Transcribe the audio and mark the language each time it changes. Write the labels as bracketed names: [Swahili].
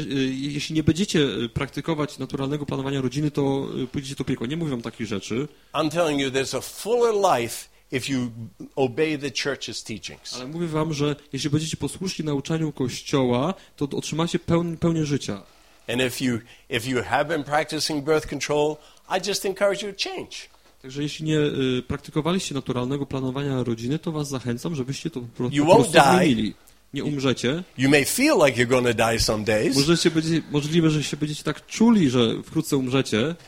[Polish] Jeśli nie będziecie praktykować naturalnego planowania rodziny, to pójdziecie do piekła. Nie mówię wam takich rzeczy. [English] I'm telling you there's a fuller life if you obey the church's teachings. [Polish] Ale mówię wam, że jeśli będziecie posłuszni nauczaniu Kościoła, to otrzymacie pełnię życia. [English] And if you have been practicing birth control, I just encourage you to change. [Polish] Także jeśli nie praktykowaliście naturalnego planowania rodziny, to was zachęcam, żebyście to [English] you won't [Polish] po prostu zmienili. [English] Die. [Polish] Nie umrzecie. [English] You may feel like you're gonna die some days. [Polish] Możliwe, że się będziecie tak czuli, że wkrótce umrzecie.